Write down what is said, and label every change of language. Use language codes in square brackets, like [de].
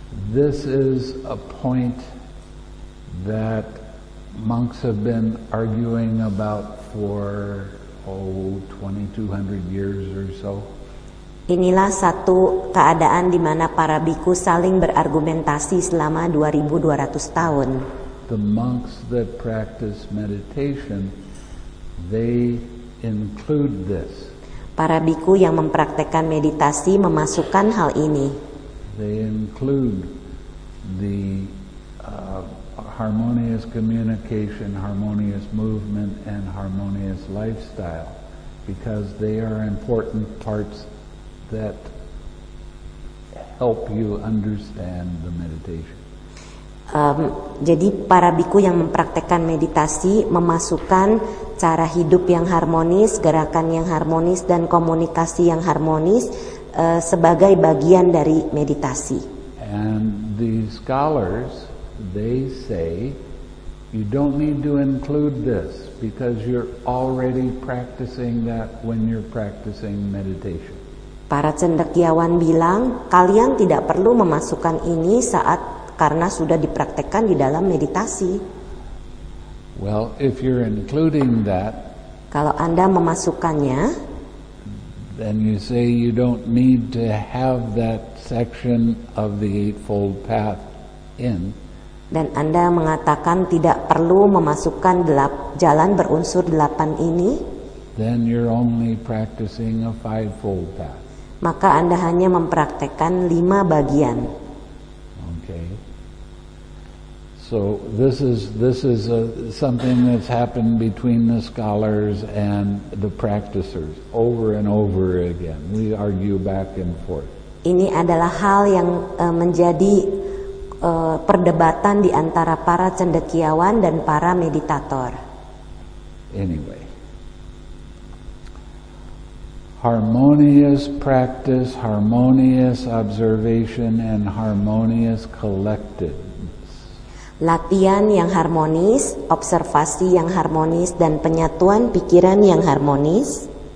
[en] This is a point that monks have been arguing about for 2200 years or so. [id] Inilah satu keadaan di mana para bhikkhu saling berargumentasi selama 2200 tahun. [en] The monks that practice meditation, they include this. [id] Para bhikkhu yang mempraktekkan meditasi memasukkan hal ini. [en] They include the harmonious communication, harmonious movement, and harmonious lifestyle, because they are important parts that help you understand the meditation. [id] Jadi para bhikkhu yang mempraktekkan meditasi memasukkan cara hidup yang harmonis, gerakan yang harmonis, dan komunikasi yang harmonis sebagai bagian dari meditasi. [en] And the scholars, they say, you don't need to include this because you're already practicing that when you're practicing meditation. [id] Para cendekiawan bilang, kalian tidak perlu memasukkan ini saat karena sudah dipraktekkan di dalam meditasi. [en] Well, if you're including that, [id] kalau Anda memasukkannya, [en] then you say you don't need to have that section of the Eightfold Path in. [id] Dan Anda mengatakan tidak perlu memasukkan jalan berunsur delapan ini, [en] then you're only practicing a fivefold path. [id] Maka Anda hanya mempraktekkan lima bagian. [en] Okay. So this is something that's happened between the scholars and the practitioners over and over again. We argue back and forth. [id] Ini adalah hal yang menjadi perdebatan di antara para cendekiawan dan para meditator. [en] Anyway. Harmonious practice, harmonious observation, and harmonious collectedness. [id] Latihan yang harmonis, observasi yang harmonis, dan penyatuan pikiran yang harmonis.